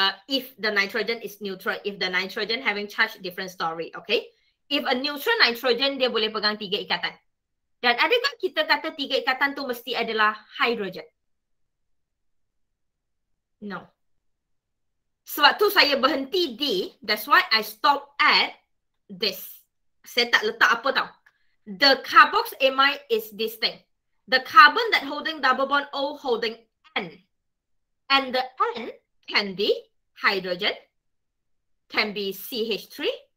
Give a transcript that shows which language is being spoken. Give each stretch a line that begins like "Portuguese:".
English: If the nitrogen is neutral, if the nitrogen having charge, different story, okay? If a neutral nitrogen,
Malay: dia boleh pegang 3 ikatan. Dan adakah kita kata 3 ikatan tu mesti adalah hydrogen?
English: No.
Malay: Sebab tu saya berhenti di,
English: that's why I stop at this.
Malay: Saya tak letak apa tau.
English: The carboxamide is this thing. The carbon that holding double bond O holding N. And the N can be hydrogen, can be CH3.